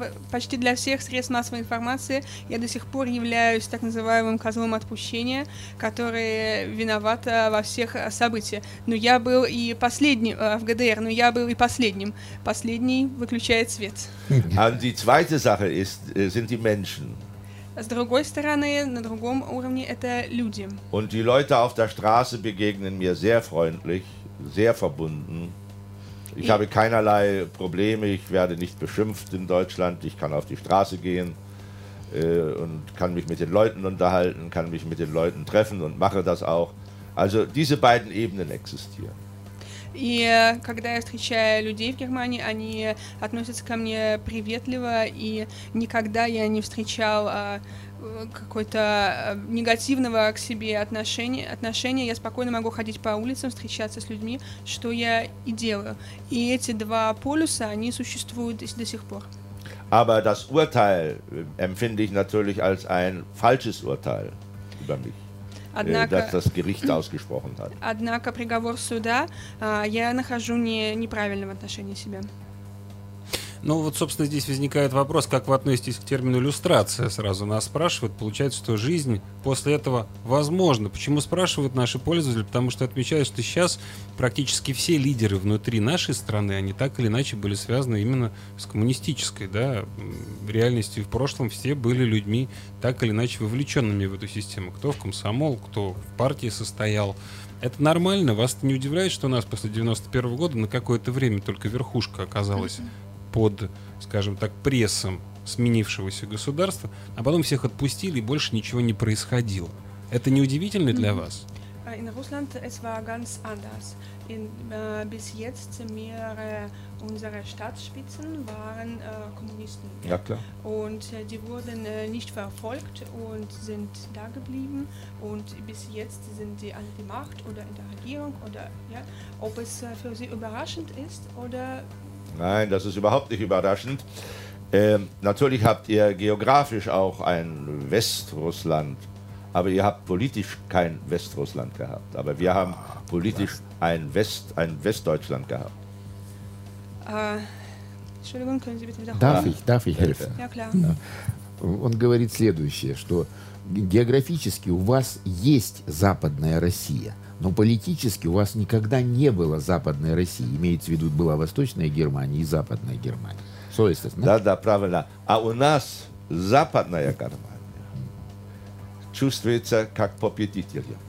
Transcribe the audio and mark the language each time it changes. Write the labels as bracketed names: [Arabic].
[Russian] Почти для всех средств массовой информации я до сих пор являюсь так называемым козлом отпущения, который виноват во всех событиях. Но я был и последним в ГДР, но я был и последним. Последний выключает свет. [German] Und die zweite Sache ist, sind die Menschen. [Russian] С другой стороны, на другом уровне, это люди. [German] Und die Leute auf der Straße begegnen mir sehr freundlich, sehr verbunden. Ich habe keinerlei Probleme, ich werde nicht beschimpft in Deutschland, ich kann auf die Straße gehen und kann mich mit den Leuten unterhalten, kann mich mit den Leuten treffen und mache das auch. Also diese beiden Ebenen existieren. [Russian] И когда я встречаю людей в Германии, они относятся ко мне приветливо, и никогда я не встречал какой-то негативного к себе отношения. Я спокойно могу ходить по улицам, встречаться с людьми, что я и делаю. И эти два полюса, они существуют до сих пор. [German] Aber das Urteil empfinde ich natürlich als ein falsches Urteil über mich. [Russian] Однако приговор суда я нахожу неправильным в отношении себя. Ну вот, собственно, здесь возникает вопрос, как вы относитесь к термину «люстрация»? Сразу нас спрашивают. Получается, что жизнь после этого возможна. Почему спрашивают наши пользователи? Потому что отмечают, что сейчас практически все лидеры внутри нашей страны, они так или иначе были связаны именно с коммунистической, да, реальностью. В прошлом все были людьми так или иначе вовлеченными в эту систему. Кто в комсомол, кто в партии состоял. Это нормально? Вас не удивляет, что у нас после 91-го года на какое-то время только верхушка оказалась под, скажем так, прессом сменившегося государства, а потом всех отпустили, и больше ничего не происходило. Это неудивительно для вас? [German] In Russland es war ganz anders. Bis jetzt mehrere unserer Staatsspitzen waren Kommunisten. Ja, klar. Und die wurden nicht verfolgt und sind da geblieben. Und bis jetzt sind sie an der Macht oder in der Regierung. Ob es für sie überraschend ist oder... Nein, das ist überhaupt nicht überraschend. Natürlich habt ihr geografisch auch ein Westrussland, aber ihr habt politisch kein Westrussland gehabt. Aber wir haben politisch ein Westdeutschland gehabt. Entschuldigung, können Sie bitte wiederholen? Darf ich helfen? Ja, klar. [Russian] Он говорит следующее, что географически у вас есть Западная Россия. Но политически у вас никогда не было Западной России. Имеется в виду, была Восточная Германия и Западная Германия. [German] So ist das, [Russian] да? Да, правильно. А у нас Западная Германия чувствуется как победитель.